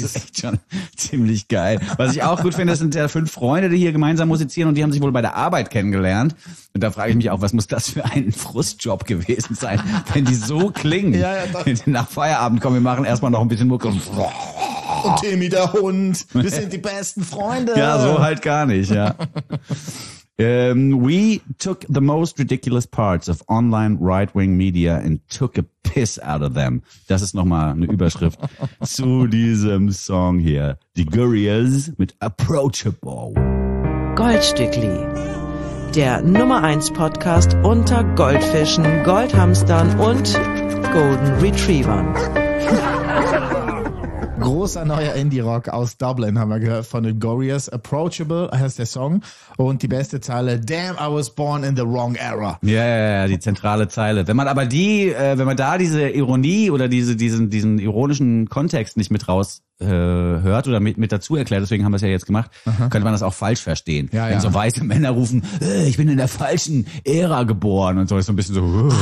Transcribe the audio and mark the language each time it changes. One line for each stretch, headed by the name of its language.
German: Das ist echt schon ziemlich geil. Was ich auch gut finde, das sind ja 5 Freunde, die hier gemeinsam musizieren und die haben sich wohl bei der Arbeit kennengelernt. Und da frage ich mich auch, was muss das für ein Frustjob gewesen sein, wenn die so klingen? Ja, ja, wenn die nach Feierabend kommen, wir machen erstmal noch ein bisschen Mucke und Timmy der Hund, wir sind die besten Freunde. Ja, so halt gar nicht, ja.
English: We took the most ridiculous parts of online right-wing media and took a piss out of them.
German: Das ist nochmal eine Überschrift zu diesem Song hier. Die Gurriers mit Approachable. Goldstückli, der Nummer-1-Podcast unter Goldfischen, Goldhamstern und Golden Retrievern. Großer neuer Indie-Rock aus Dublin, haben wir gehört, von den Gurriers. Approachable heißt der Song. Und die beste Zeile,
English: damn, I was born in the wrong era.
German: Ja, ja, ja, die zentrale Zeile. Wenn man aber wenn man da diese Ironie oder diesen ironischen Kontext nicht mit raus hört oder mit dazu erklärt, deswegen haben wir es ja jetzt gemacht, könnte man das auch falsch verstehen. Ja, wenn so weiße Männer rufen, ich bin in der falschen Ära geboren und so, ist so ein bisschen so.